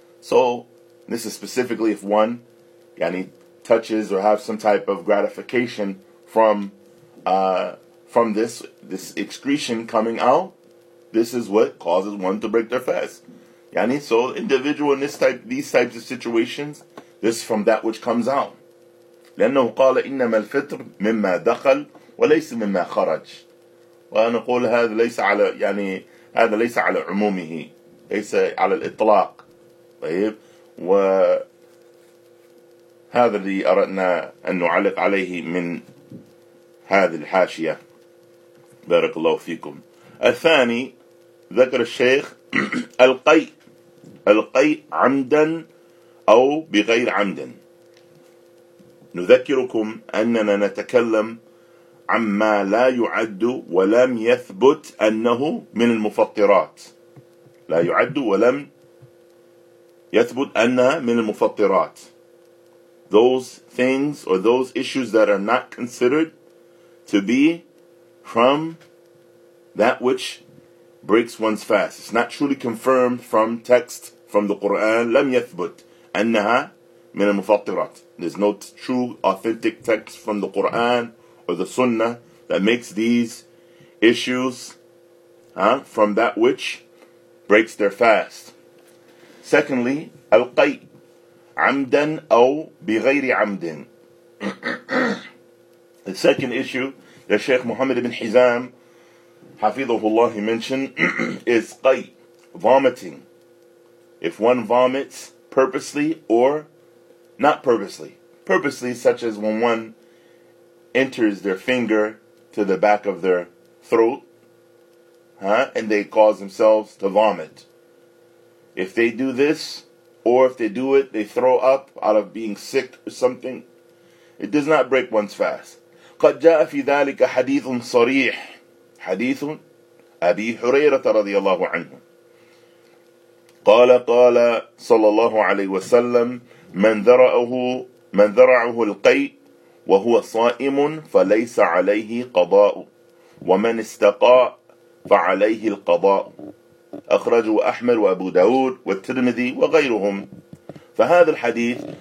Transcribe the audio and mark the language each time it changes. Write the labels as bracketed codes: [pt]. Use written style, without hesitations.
[en] So this is specifically if one yani touches or have some type of gratification from this excretion coming out, this is what causes one to break their fast. Yani, so individual in these types of situations, this is from that which comes out. [ar] لأنه قال إنما الفطر مما دخل وليس مما خرج. وأنا أقول هذا ليس على يعني هذا ليس على عمومه, ليس على الإطلاق. طيب, وهذا اللي أردنا أن نعلق عليه من هذه الحاشية. بارك الله فيكم. الثاني ذكر الشيخ القيء, القيء عمدا أو بغير عمدا. نذكركم أننا نتكلم عما لا يعد ولم يثبت أنه من المفطرات. لا يعد ولم يثبت أنها من المفطرات. [en] Those things or those issues that are not considered to be from that which breaks one's fast. It's not truly confirmed from text, from the Qur'an. لم يثبت أنها من المفطرات. There's no true authentic text from the Qur'an or the Sunnah that makes these issues from that which breaks their fast. Secondly, [ar] al-qay, amdan aw bighayri amdin. [en] The second issue that Sheikh Muhammad ibn Hizam, hafidhahullah, he mentioned, is qay, vomiting. If one vomits purposely or not purposely. Purposely, such as when one enters their finger to the back of their throat, and they cause themselves to vomit. If they do this, or if they do it, they throw up out of being sick or something, it does not break one's fast. [ar] قَدْ جَاءَ فِي ذَلِكَ حَدِيثٌ صَرِيحٌ حَدِيثٌ أَبِي هُرَيْرَةَ رَضِيَ اللَّهُ عَنْهُ قَالَ قَالَ صَلَى اللَّهُ عَلَيْهُ وَسَلَّمَ مَنْ ذَرَعُهُ الْقَيْءُ وَهُوَ صَائِمٌ فَلَيْسَ عَلَيْهِ قَضَاءُ وَمَنْ اسْتَقَاءُ فَعَلَيْهِ الْقَضَاءُ أَخْرَجُوا أَحْمَدْ وَأَبُو دَاوُدْ وَالتِّرْمِذِي وَغَيْرُهُمْ فهذا الحديث